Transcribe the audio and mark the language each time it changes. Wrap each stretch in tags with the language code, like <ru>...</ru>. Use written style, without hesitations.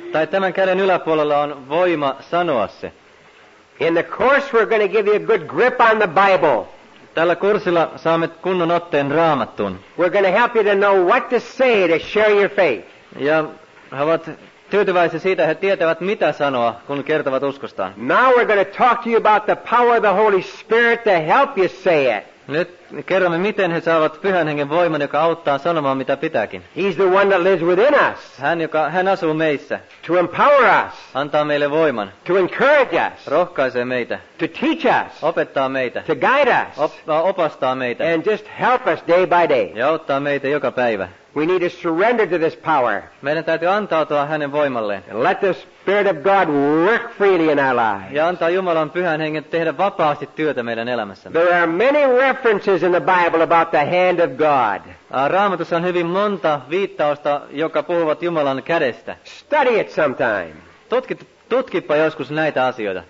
<fi>Tämän käden yläpuolella on voima sanoa se.</fi> <en>In the course we're going to give you a good grip on the Bible.</en> <fi>Tällä kurssilla saamme kunnon otteen Raamattuun.</fi> <en>We're going to help you to know what to say to share your faith.</en> <fi>Ja he ovat tyytyväisiä siitä, he tietävät mitä sanoa, kun kertovat uskostaan.</fi> <en>Now we're going to talk to you about the power of the Holy Spirit to help you say it.</en> <fi>Nyt kerromme, miten he saavat Pyhän Hengen voiman, joka auttaa sanomaan, mitä pitääkin.</fi> <en>He's the one that lives within us.</en> <fi>Hän asuu meissä.</fi> <en>To empower us.</en> <fi>Antaa meille voiman.</fi> <en>To encourage us.</en> <fi>Rohkaisee meitä.</fi> <en>To teach us.</en> <fi>Opettaa meitä.</fi> <en>To guide us.</en> <fi>Opastaa meitä.</fi> <en>And just help us day by day.</en> <fi>Ja auttaa meitä joka päivä.</fi> <en>We need to surrender to this power.</en> <fi>Meidän täytyy antautua hänen voimalleen.</fi> <en>And let the Spirit of God work freely in our lives.</en> <fi>Ja antaa Jumalan Pyhän Hengen tehdä vapaasti työtä meidän elämässämme.</fi> <en>There are many references in the Bible about the hand of God.</en> <fi>Raamatussa on hyvin monta viittausta, joka puhuvat Jumalan kädestä.</fi> <en>Study it sometime.</en> <fi>Tutkipa joskus näitä asioita.</fi>